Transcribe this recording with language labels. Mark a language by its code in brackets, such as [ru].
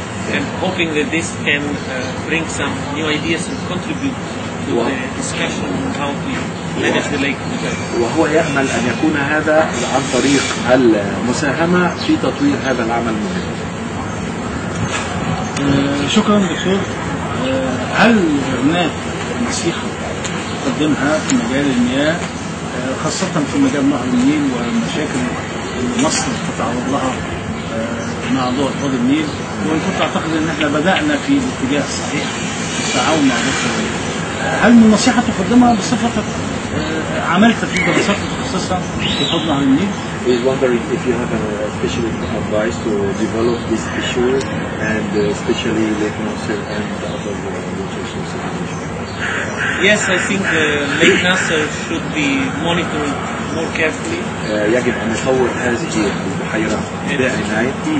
[en] I'm hoping that this can bring some new ideas and contribute to the discussion on how to manage the lake. [ar] وهو يأمل أن يكون هذا عن طريق المساهمة في تطوير هذا العمل المهم. شكرا دكتور. هل هناك نصيحه تقدمها في مجال المياه خاصه في مجال نهر النيل والمشاكل اللي مصر تتعرض لها مع دول حوض النيل؟ وان كنت اعتقد ان احنا بدانا في الاتجاه الصحيح في التعاون مع مصر، هل من نصيحه تقدمها بصفتك عملت في دراسات متخصصه في حوض نهر النيل؟ [en] Is wondering if you have a special advice to develop this issue and especially Lake Nasser and other water sources. Yes, I think Lake Nasser should be monitored more carefully. [ar] يجب أن نطور هذه البحيرة بعناية